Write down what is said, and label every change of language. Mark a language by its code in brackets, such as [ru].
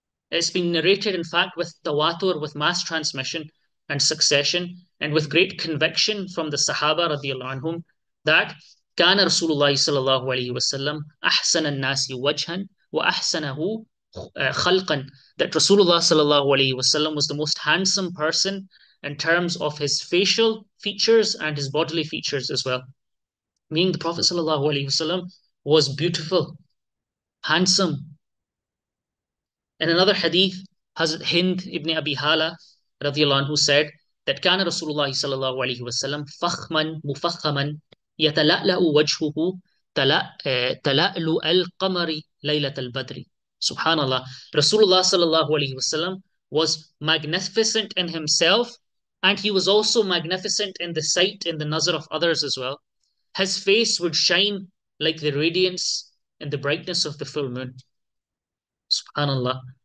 [en] It's been narrated, in fact, with tawatur, with mass transmission and succession, and with great conviction from the Sahaba radiallahu anhum, that [ar] كَانَ رَسُولُ اللَّهِ صَلَى اللَّهُ عَلَيْهِ وَسَلَّمُ أَحْسَنَ النَّاسِ وَجْهًا وَأَحْسَنَهُ خَلْقًا, [en] that Rasulullah sallallahu alayhi wasallam was the most handsome person in terms of his facial features and his bodily features as well. Meaning the Prophet sallallahu alayhi wasallam was beautiful, handsome. In another hadith, Hazrat Hind ibn Abi Hala radiallahu anhu said that [ar] كَانَ رَسُولُ اللَّهِ صَلَى اللَّهُ عَلَيْهِ وَسَلَّمُ فَخْمًا مُفَخَّمًا يَتَلَأْلَأُ وَجْهُهُ تَلَأْلُؤَ الْقَمَرِ لَيْلَةَ الْبَدْرِ. [en] Subhanallah. Rasulullah sallallahu alayhi wasallam was magnificent in himself, and he was also magnificent in the sight, in the nazar of others as well. His face would shine like the radiance and the brightness of the full moon. Subhanallah.